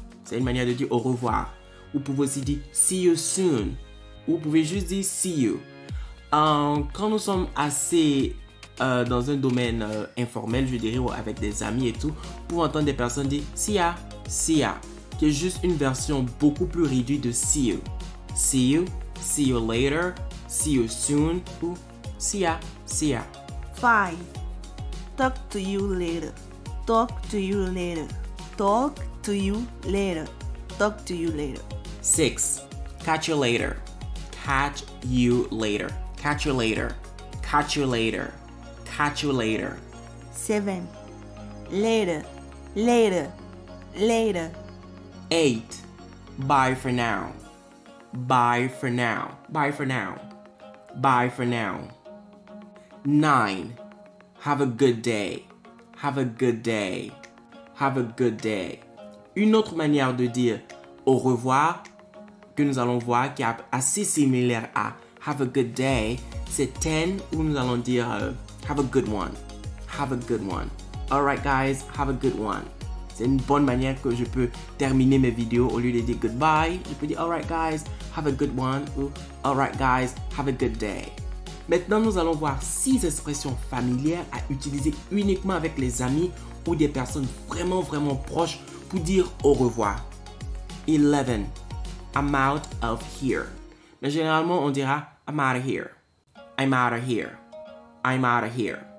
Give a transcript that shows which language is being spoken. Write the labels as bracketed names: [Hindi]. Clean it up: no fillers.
[French] C'est une manière de dire au revoir. Vous pouvez aussi dire [English] see you soon. [French] Vous pouvez juste dire [English] see you. [French] Quand nous sommes assez dans un domaine informel, je dirais, ou avec des amis et tout, vous pouvez entendre des personnes dire [English] see ya, see ya, [French] qui est juste une version beaucoup plus réduite de see you. [English] See you, see you later, see you soon, ou see ya, see ya. 5. Talk to you later. Talk to you later. Talk to you later. Talk to you later. 6. Catch you later. Catch you later. Catch you later. Catch you later. Catch you later. 7. Later. Later. Later. 8. Bye for now. Bye for now. Bye for now. Bye for now. 9. Have a good day. Have a good day. Have a good day. [French] Une autre manière de dire au revoir que nous allons voir qui est assez similaire à [English] have a good day, [French] c'est 10 où nous allons dire [English] have a good one. Have a good one. Alright guys, have a good one. [French] C'est une bonne manière que je peux terminer mes vidéos au lieu de dire goodbye. Je peux dire [English] alright guys, have a good one [French] ou [English] alright guys, have a good day. [French] Maintenant, nous allons voir 6 expressions familières à utiliser uniquement avec les amis ou des personnes vraiment, vraiment proches pour dire au revoir. [English] 11. I'm out of here. [French] Mais généralement, on dira [English] I'm out of here. I'm out of here. I'm out of here.